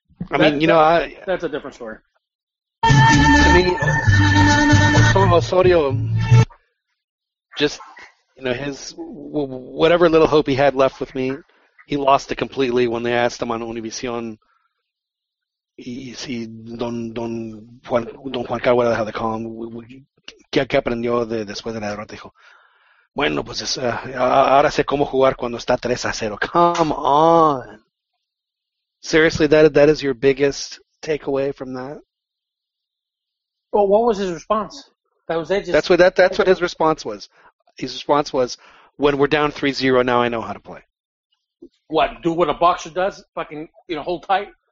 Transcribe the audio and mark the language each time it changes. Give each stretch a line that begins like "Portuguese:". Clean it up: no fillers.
English: That's a different story. I mean, Osorio, just, you know, his whatever little hope he had left with me, he lost it completely when they asked him on Univision.
Spanish: He don Juan Carlos,
English: how they call him,
Spanish: qué aprendió después de la derrota, dijo. Bueno, pues es, ahora sé cómo jugar cuando está 3-0.
English: Come on. Seriously, that is your biggest takeaway from that? Well, what was his response? That was it. That's what his response was. His response was, when we're down 3-0, now I know how to play. What, do what a boxer does? Fucking, you know, hold tight?